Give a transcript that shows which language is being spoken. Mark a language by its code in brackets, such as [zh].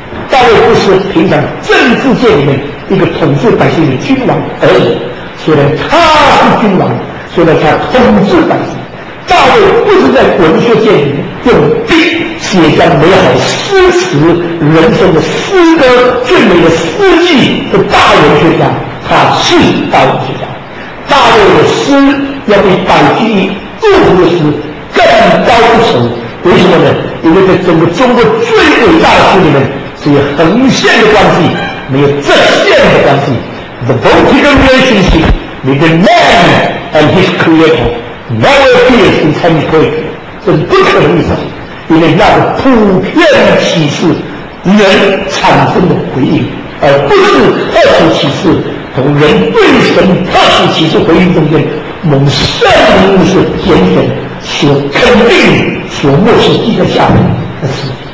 [zh] 大卫不是平常政治界里面一个统治百姓的君王而已，虽然他是君王，虽然他统治百姓，大卫不是在文学界里面用笔写下美好诗词、人生的诗歌、最美的诗句的大文学家，他是大文学家。大卫的诗要比百居易祝福的诗更高一层，为什么呢？因为在整个中国最伟大的诗里面，是有横线的关系，没有直线的关系。 [en] The vertical relationship between man and his creator never appears in Chinese poetry， [zh] 这是不可能的事情。因为那个普遍启示人产生的回应，而不是特殊启示从人对神特殊启示回应中间蒙圣灵所拣选、所肯定、所默示记在下面的事。